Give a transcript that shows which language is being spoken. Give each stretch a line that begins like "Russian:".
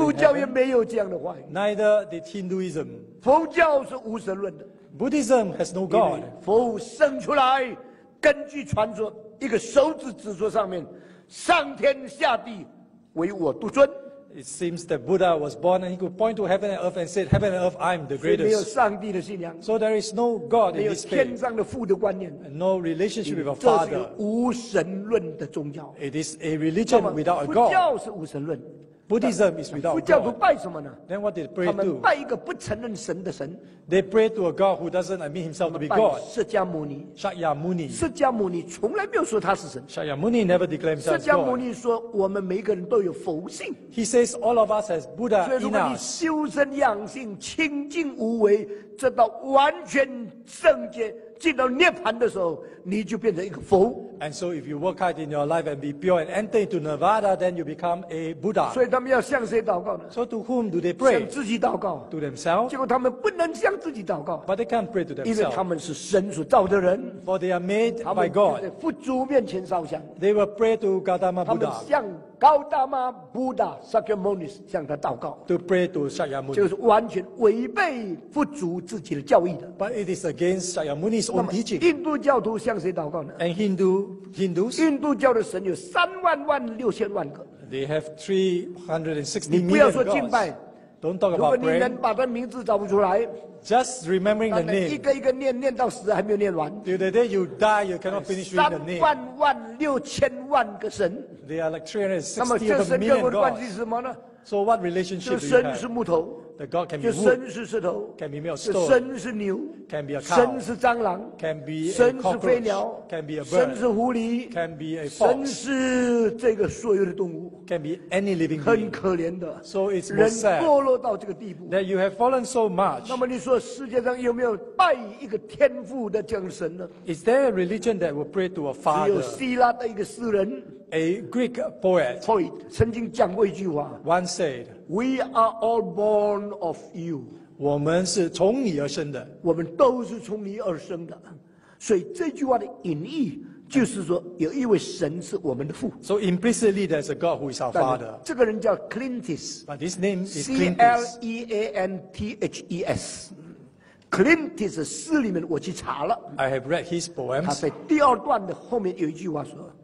Chinese: 印度教也没有这样的话语。
English: Neither did Hinduism.
Chinese: 佛教是无神论的。
English: Buddhism has no God.
Chinese: 佛生出来，根据传说，一个手指指出上面，上天下地，唯我独尊。
English: It seems that Buddha was born and he could point to heaven and earth and said, "Heaven and earth, I'm the greatest."
Chinese: 没有上帝的信仰。
English: So there is no God in his faith.
Chinese: 没有天上的父的观念。
English: No relationship with a father.
Chinese: 这是无神论的宗教。
English: It is a religion without a God.
Chinese: 佛教是无神论。
English: Buddhism is without God.
Chinese: 佛教徒拜什么呢？
English: Then what did pray to?
Chinese: 他们拜一个不承认神的神。
English: They pray to a God who doesn't admit himself to be God.
Chinese: 释迦牟尼。
English: Shakyamuni.
Chinese: 释迦牟尼从来没有说他是神。
English: Shakyamuni never declared himself as God.
Chinese: 释迦牟尼说我们每个人都有佛性。
English: He says all of us as Buddha in us.
Chinese: 所以如果你修身养性，清净无为，直到完全圣洁。进到涅槃的时候，你就变成一个佛。
English: And so, if you work hard in your life and be pure and enter into Nirvana, then you become a Buddha.
Chinese: 所以他们要向谁祷告呢
English: ？So to whom do they pray?
Chinese: 向自己祷告。
English: To themselves.
Chinese: 结果他们不能向自己祷告。
English: But they can't pray to themselves.
Chinese: 因为他们是神所造的人。
English: For they are made by God.
Chinese: 佛祖面前烧香。
English: They will pray to Gautama Buddha.
Chinese: 他们向 Gautama Buddha Sakyamuni 向他祷告
English: to pray to Sakyamuni
Chinese: 就是完全违背佛祖自己的教义的
English: but it is against Sakyamuni's own teaching
Chinese: 印度教徒向谁祷告呢
English: and Hindus
Chinese: 印度教的神有三万万六千万个
English: they have 360 million
Chinese: gods 你不要说敬拜
English: don't talk about praying
Chinese: 如果你能把他名字找不出来
English: Just remembering the name.
Chinese: 一个一个念，念到死还没有念完。
English: Till the day you die, you cannot finish reading the name.
Chinese: 三万万六千万个神。
English: They are like 360 million gods.
Chinese: 那么这神跟我的关系是什么呢
English: ？So what relationship do you
Chinese: have? 就神是木头。
English: The God can be wood.
Chinese: 就神是石头。
English: Can be made of stone.
Chinese: 就神是牛。
English: Can be a cow.
Chinese: 神是蟑螂。
English: Can be a
Chinese: cockroach. 神是飞鸟。
English: Can be a bird.
Chinese: 神是狐狸。
English: Can be a fox.
Chinese: 神是这个所有的动物。
English: Can be any living being.
Chinese: 很可怜的。
English: So it's more sad.
Chinese: 人堕落到这个地步。
English: That you have fallen so much.
Chinese: 那么你说世界上有没有拜一个天父的这样的神呢
English: ？Is there a religion that will pray to a father?
Chinese: 只有希腊的一个诗人。
English: A Greek poet
Chinese: 曾经讲过一句话
English: Once said We are all born of you
Chinese: 我们是从你而生的我们都是从你而生的所以这句话的隐喻就是说有一位神是我们的父
English: So implicitly there's a God who is our father
Chinese: 这个人叫 Clintus
English: But his name is
Chinese: Clintus Clintus 的诗里面我去查了
English: I have read his poems
Chinese: 他在第二段的后面有一句话说